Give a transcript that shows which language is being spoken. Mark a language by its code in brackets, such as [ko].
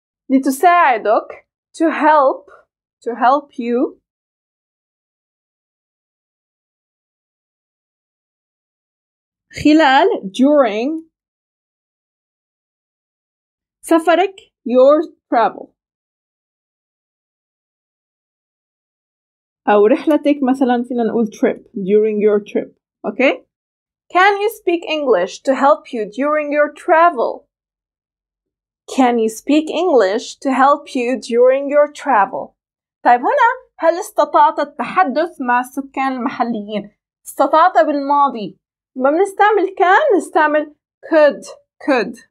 [ar] لتساعدك [en] to help you [ar] خلال [en] during [ar] سفرك [en] your travel [ar] أو رحلتك، مثلا فينا نقول [en] trip during your trip. okay can you speak English to help you during your travel can you speak English to help you during your travel. [ar] طيب هنا هل استطعت التحدث مع السكان المحليين؟ استطعت بالماضي، ما بنستعمل كان، نستعمل could.